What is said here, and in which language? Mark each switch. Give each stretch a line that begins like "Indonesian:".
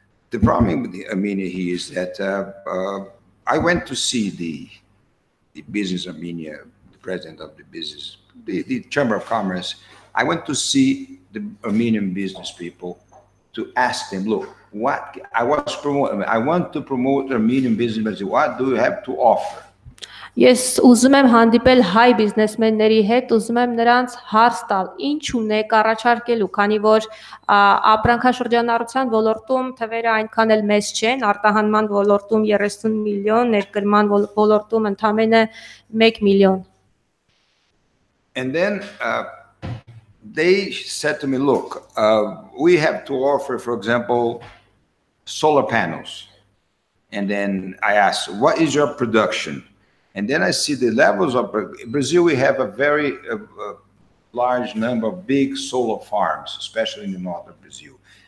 English: The problem with the Armenia here is that I went to see the business Armenia, the president of the business, the Chamber of Commerce. I went to see the Armenian business people to ask them, look, what I was promoting, I want to promote Armenian business. What do you have to offer?
Armenian: Yes, ուզում եմ հանդիպել հայ բիզնեսմենների հետ, ուզում եմ նրանց հարց տալ, ինչ ունեք առաջարկելու, քանի որ ապրանքաշրջանառության ոլորտում թվերը այնքան էլ մեծ չեն, արտահանման ոլորտում 30 միլիոն, ներկրման ոլորտում ընդամենը 1 միլիոն.
English: And then they said to me, look, we have to offer, for example, solar panels. And then I asked, what is your production? And then I see the levels of Brazil, we have a very large number of big solar farms, especially in the north of Brazil.